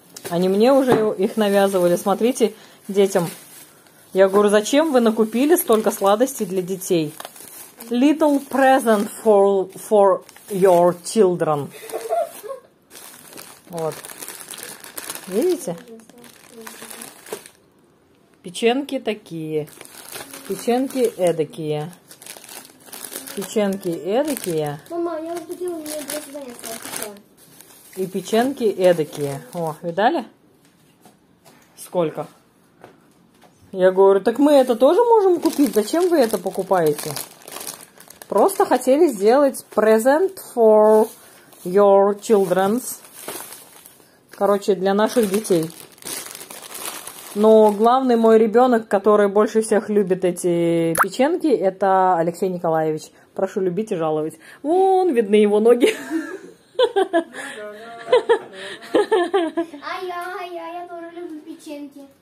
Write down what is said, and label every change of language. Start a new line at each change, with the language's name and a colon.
Russian: Они мне уже их навязывали. Смотрите, детям. Я говорю, зачем вы накупили столько сладостей для детей?
English: Little present for your children.
Russian: Вот. Видите? Печенки такие. Печенки эдакие. Печенки эдакие. Мама, я вот хотела, у меня две свадьбы. И печенки эдакие. О, видали? Сколько? Я говорю, так мы это тоже можем купить? Зачем вы это покупаете? Просто хотели сделать
English: present for your children.
Russian: Короче, для наших детей. Но главный мой ребенок, который больше всех любит эти печенки, это Алексей Николаевич. Прошу любить и жаловать. Вон, видны его ноги. Ай-яй-яй, я тоже люблю печенки.